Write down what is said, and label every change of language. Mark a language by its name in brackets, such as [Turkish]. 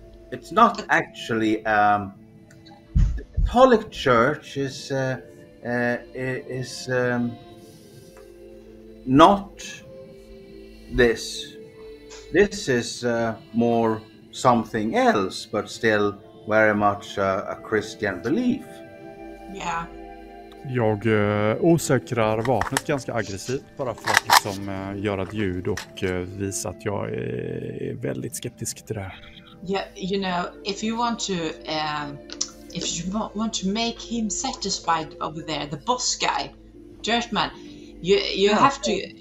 [English] It's not actually the Catholic Church is not this. This is more something else, but still very much a Christian belief. Yeah. [Swedish] Jag osäkrar vapnet ganska aggressivt bara för att liksom göra ett ljud och visa att jag är väldigt skeptisk till det här. [English] Yeah, you know, if you want to make him satisfied over there, the boss guy, Dirtman, you have to.